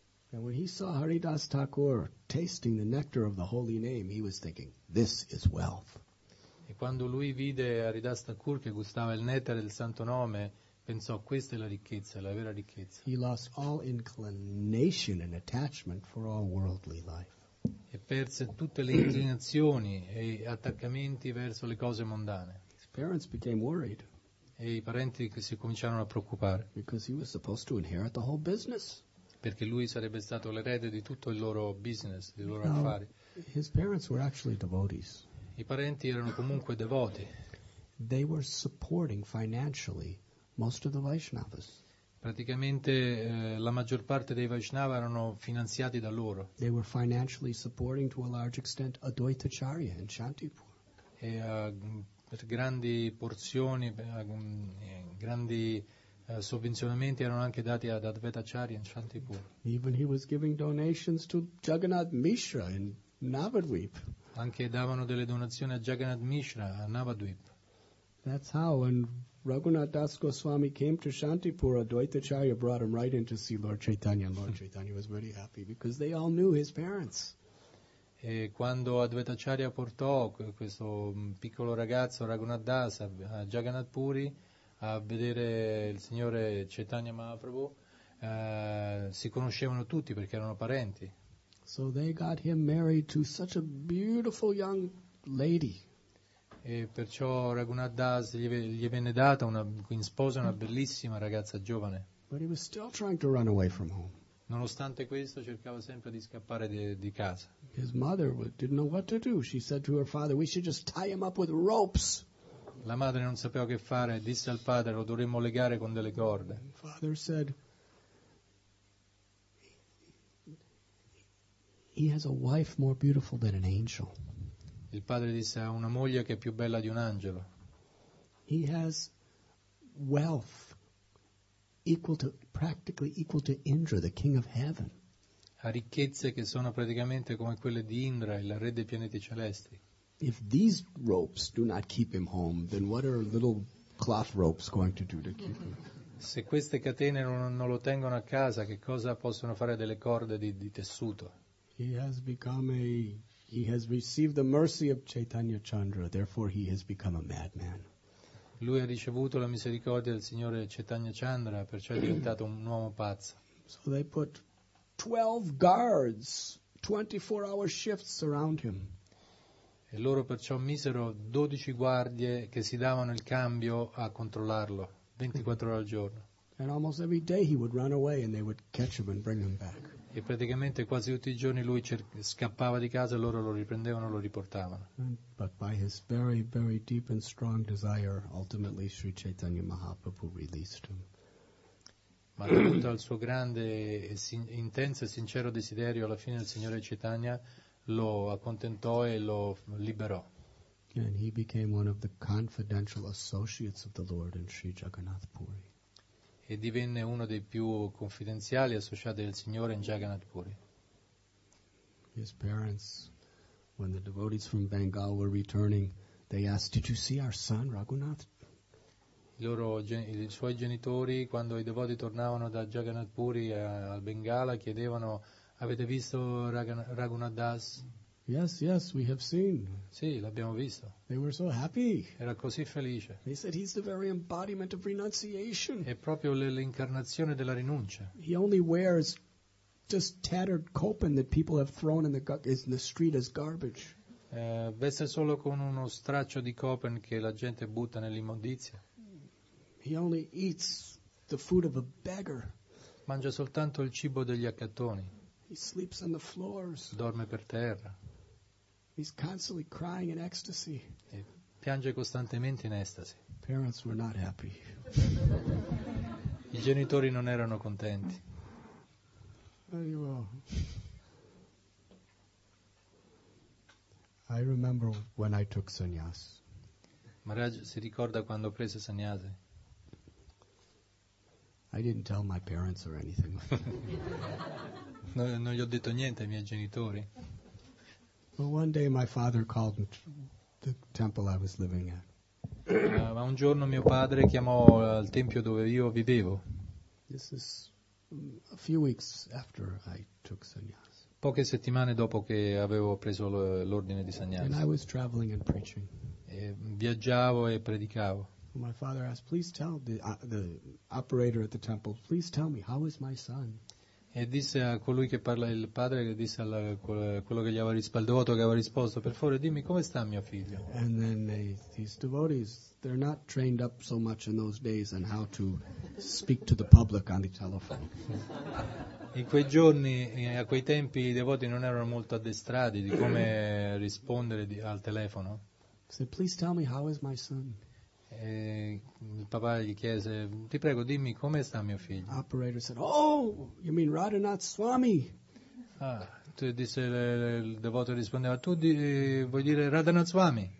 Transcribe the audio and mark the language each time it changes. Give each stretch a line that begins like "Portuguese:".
English: And when he saw Haridas Thakur tasting the nectar of the holy name, he was thinking, this is wealth.
Italian: E quando lui vide Haridas Thakur che gustava il nettare del santo nome, pensò, questa è la ricchezza, la vera ricchezza.
English: He lost all inclination and attachment for all worldly life.
Italian: E perse tutte le inclinazioni e attaccamenti verso le cose mondane.
English: His parents became worried.
Italian: E i parenti che si cominciarono a preoccupare.
English: Because he was supposed to inherit the whole business.
Italian: Perché lui sarebbe stato l'erede di tutto il loro business, dei loro affari.
English: His parents were actually devotees.
Italian: I parenti erano comunque devoti.
English: They were supporting financially most of the Vaishnavas.
Italian: Praticamente la maggior parte dei Vaishnava erano finanziati da loro.
English: They were financially supporting to a large extent Advaita Acharya in Shantipur.
Italian: E per grandi porzioni, grandi sovvenzionamenti erano anche dati ad Advaita Acharya in Shantipur.
English: Even he was giving donations to Jagannath Mishra in Navadvip.
Italian: Anche davano delle donazioni a Jagannath Mishra a Navadvip.
English: That's how and Raghunath Das Goswami came to Shantipur. Advaita Acharya brought him right in to see Lord Chaitanya. Lord Chaitanya was very happy because they all knew his parents.
Italian: E quando Advaita Acharya portò questo piccolo ragazzo Raghunath Das a Jagannath Puri a vedere il signore Chaitanya Mahaprabhu, si conoscevano tutti perché erano parenti.
English: So they got him married to such a beautiful young lady.
Italian: E perciò Raghunath Das gli venne data una in sposa una bellissima ragazza giovane.
English: But he was still trying to run away from home.
Italian: Nonostante questo cercava sempre di scappare di casa.
English: His mother didn't know what to do. She said to her father, "We should just tie him up with ropes."
Italian: La madre non sapeva che fare, disse al padre, "Lo dovremmo legare con delle corde."
English: And father said, "He has a wife more beautiful than an angel."
Italian: Il padre disse, ha una moglie che è più bella di un angelo.
English: He has wealth equal to, practically equal to Indra, the king of heaven.
Italian: Ha ricchezze che sono praticamente come quelle di Indra, il re dei pianeti celesti.
English: If these ropes do not keep him home, then what are little cloth ropes going to do to keep him?
Italian: Se queste catene non lo tengono a casa, che cosa possono fare delle corde di tessuto?
English: He has become a... He has received the mercy of Chaitanya Chandra, therefore he has become a madman.
Italian: Lui ha ricevuto la misericordia del signore Chaitanya Chandra, perciò è diventato un uomo pazzo.
English: So they put 12 guards, 24-hour shifts around him.
Italian: E loro perciò misero 12 guardie che si davano il cambio a controllarlo, 24 ore al giorno.
English: And almost every day he would run away and they would catch him and bring him back.
Italian: E praticamente quasi tutti i giorni lui scappava di casa e loro lo riprendevano e lo riportavano.
English: But by his very, very deep and strong desire, ultimately Sri Chaitanya Mahaprabhu released him.
Italian: Ma dovuto al suo grande, intenso e sincero desiderio, alla fine il Signore Chaitanya lo accontentò e lo liberò.
English: And he became one of the confidential associates of the Lord in Sri Jagannath Puri.
Italian: E divenne uno dei più confidenziali associati del Signore in Jagannath Puri.
English: His parents, when the devotees from Bengal were returning, they asked, "Did you see our son, Raghunath?"
Italian: I suoi genitori, quando i devoti tornavano da Jagannath Puri al Bengala, chiedevano, "Avete visto Raghunath Das?"
English: "Yes, yes, we have seen."
Italian: Sì, l'abbiamo visto.
English: They were so happy.
Italian: Era così felice.
English: They said he's the very embodiment of renunciation.
Italian: È proprio l'incarnazione della rinuncia.
English: He only wears just tattered copan that people have thrown in the street as garbage.
Italian: Veste solo con uno straccio di copan che la gente butta nell'immondizia.
English: He only eats the food of a beggar.
Italian: Mangia soltanto il cibo degli accattoni.
English: He sleeps on the floors.
Italian: Dorme per terra.
English: He's constantly crying in ecstasy.
Italian: E piange costantemente in estasi.
English: Parents were not happy.
Italian: I genitori non erano contenti.
English: Very well. I remember when I took sannyas.
Italian: Maharaj si ricorda quando ho preso sannyasa.
English: I didn't tell my parents or anything.
Italian: non gli ho detto niente ai miei genitori.
English: Well, one day my father called me to the temple I was living at.
Italian: Ma un giorno mio padre chiamò al tempio dove io vivevo.
English: This is a few weeks after I took sannyas.
Italian: Poche settimane dopo che avevo preso l'ordine di sannyas.
English: And I was traveling and preaching.
Italian: E viaggiavo e predicavo.
English: My father asked, please tell the operator at the temple, please tell me, how is my son?
Italian: E disse a colui che parla, il padre, disse al quello che gli aveva risposto, al devoto che aveva risposto, per favore dimmi come sta mio figlio.
English: And then these devotees, they're not trained up so much in those days on how to speak to the public on the telephone.
Italian: In quei giorni, a quei tempi, i devoti non erano molto addestrati di come rispondere al telefono.
English: So please tell me how is my son.
Italian: E il papà gli chiese, ti prego dimmi come sta mio figlio.
English: Operator said, oh, you mean Radhanath Swami.
Italian: Ah, tu disse, il devoto rispondeva, tu vuoi dire Radhanath Swami.